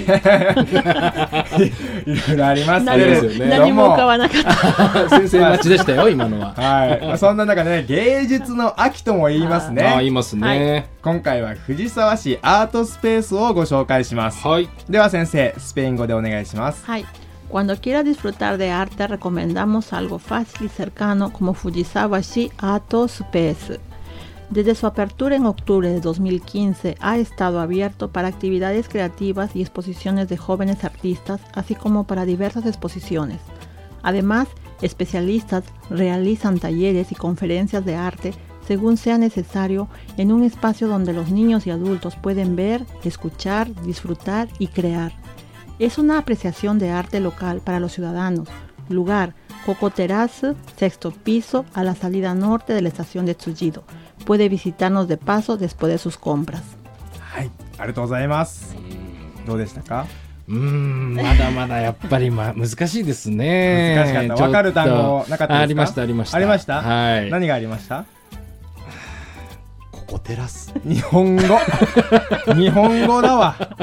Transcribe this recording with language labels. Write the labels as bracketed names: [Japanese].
[Japanese] いろいろありますけれど も、 ですよ、ね、も何も浮かばなかった。先生待ちでしたよ今のは。はい、まあ。そんな中ね、芸術の秋とも言いますね。あ、言いますね、はい。今回は藤沢市アートスペースをご紹介します。はい。では先生、スペイン語でお願いします。はい。 [Spanish] Cuando quiera disfrutar de arte, recomendamos algo fácil y cercano como Fujisawa Shi Arto Space. Desde su apertura en octubre de 2015, ha estado abierto para actividades creativas y exposiciones de jóvenes artistas, así como para diversas exposiciones. Además, especialistas realizan talleres y conferencias de arte según sea necesario en un espacio donde los niños y adultos pueden ver, escuchar, disfrutar y crear. Es una apreciación de arte local para los ciudadanos. Lugar, Coco Terrace, sexto piso, a la salida norte de la estación de Tsujido. Puede visitarnos de paso después de sus compras. [Japanese] Hi, ありがとうございます。どうでしたか？まだまだやっぱり、難しいですね。難しかった。分かる単語なかったですか？ありました、ありました。ありました？はい。何がありました？ココテラス。日本語。日本語だわ。